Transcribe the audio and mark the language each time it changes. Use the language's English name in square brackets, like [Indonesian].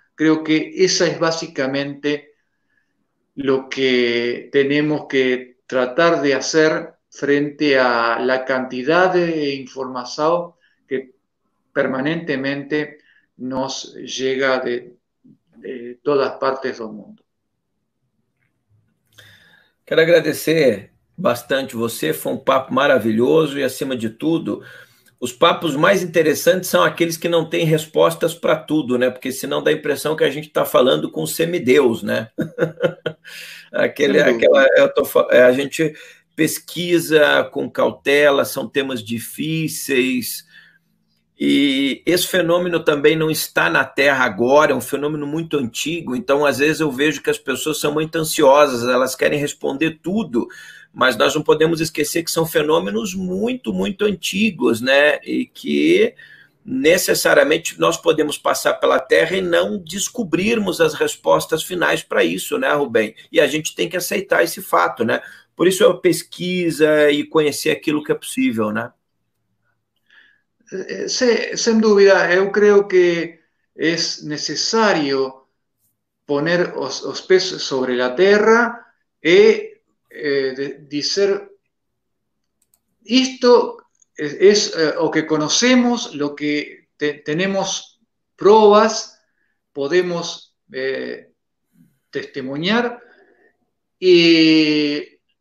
[Spanish] Creo que esa es básicamente lo que tenemos que tratar de hacer frente a la cantidad de información que permanentemente nos llega de todas partes del mundo. [Portuguese] Quero agradecer bastante você, foi um papo maravilhoso e, acima de tudo, Os papos mais interessantes são aqueles que não têm respostas para tudo, né? Porque senão dá a impressão que a gente está falando com semideus, né? Sem dúvida. A gente pesquisa com cautela, são temas difíceis. E esse fenômeno também não está na Terra agora, é um fenômeno muito antigo. Então, às vezes, eu vejo que as pessoas são muito ansiosas, elas querem responder tudo. Mas nós não podemos esquecer que são fenômenos muito, muito antigos, né? E que necessariamente nós podemos passar pela Terra e não descobrirmos as respostas finais para isso, né, Rubem? E a gente tem que aceitar esse fato, né? Por isso a pesquisa e conhecer aquilo que é possível, né? [Spanish] Sin duda, yo creo que es necesario poner los pies sobre la tierra decir, esto es lo que conocemos, lo que tenemos pruebas, podemos testimoniar y